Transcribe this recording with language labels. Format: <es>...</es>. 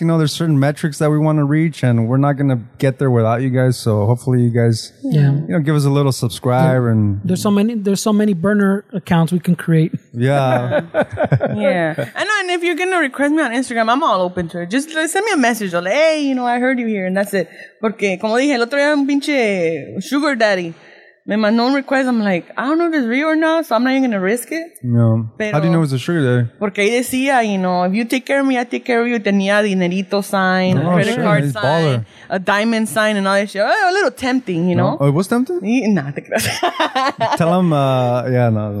<en>You know, there's certain metrics that we want to reach, and we're not going to get there without you guys. So hopefully you guys, you know, give us a little subscribe. And there's so many burner accounts we can create. Yeah. And if you're going to request me on Instagram, I'm all open to it. Just send me a message. I'll, hey, you know, I heard you here, and that's it.</en> <es>Porque como dije, el otro día un pinche sugar daddy me mandó un request.</es> <en>I'm like, I don't know if it's real or not, so I'm not even going to risk it. No.</en> <es>Pero,</es> <en>how do you know it's a sugar daddy?</en> <es>Porque ahí decía,</es> <en>you know, if you take care of me, I take care of you.</en> <es>Tenía dinerito sign, no,</es> <en>a credit card he's sign, baller. A diamond sign, and all that shit. A little tempting, you know? Oh, it was tempting?</en> <es>Nah, te creas.</es> <en>Tell him, no.</en>